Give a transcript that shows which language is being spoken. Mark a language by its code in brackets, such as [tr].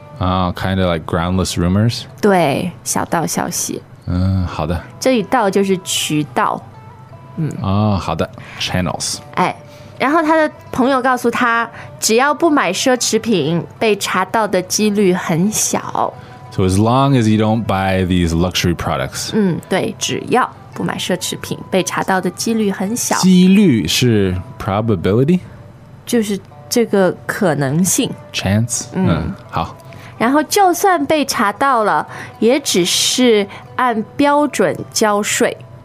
[en] 啊，kind of like groundless rumors。 [zh] 对，小道消息。嗯，好的，这里道就是渠道。嗯，哦，好的， channels。哎，然后他的朋友告诉他，只要不买奢侈品，被查到的几率很小。 [en] So as long as you don't buy these luxury products。 [zh] 嗯，对，只要不买奢侈品，被查到的几率很小。几率是 probability，就是这个可能性 chance。 嗯，好，然后就算被查到了，也只是按标准交税。